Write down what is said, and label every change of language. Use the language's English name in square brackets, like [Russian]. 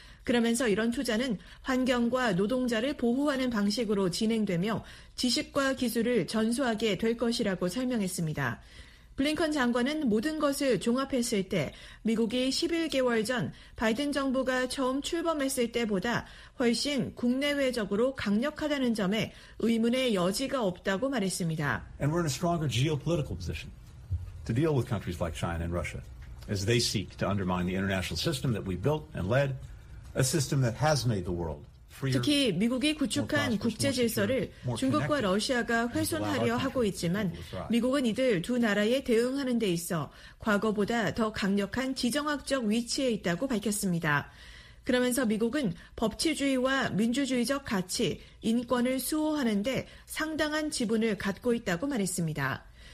[Korean] 그러면서 이런 투자는 환경과 노동자를 보호하는 방식으로 진행되며 지식과 기술을 전수하게 될 것이라고 설명했습니다. 블링컨 장관은 모든 것을 종합했을 때 미국이 11개월 전 바이든 정부가 처음 출범했을 때보다 훨씬 국내외적으로 강력하다는 점에 의문의 여지가 없다고 말했습니다. [English] And we're in a stronger geopolitical position to deal with countries like China and Russia as they seek to undermine the international system that we built and led. A system that has made the world freer, [Korean] 특히 미국이 구축한 국제질서를 중국과 러시아가 훼손하려 하고 있지만 미국은 이들 두 나라에 대응하는 데 있어 과거보다 더 강력한 지정학적 위치에 있다고 밝혔습니다. 그러면서 미국은 법치주의와 민주주의적 가치, 인권을 수호하는 데 상당한 지분을 갖고 있다고 말했습니다.